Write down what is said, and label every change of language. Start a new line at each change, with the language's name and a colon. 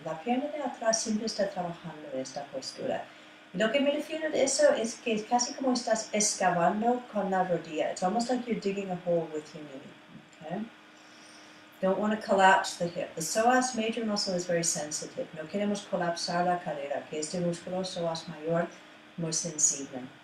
Spanish: La pierna de atrás siempre está trabajando en esta postura. Y lo que me refiero de eso es que es casi como estás excavando con la rodilla.
English: It's almost like you're digging a hole with your knee, okay? Don't want to collapse the hip. The psoas major muscle is very sensitive.
Spanish: No queremos colapsar la cadera, que este músculo psoas mayor muy sensible.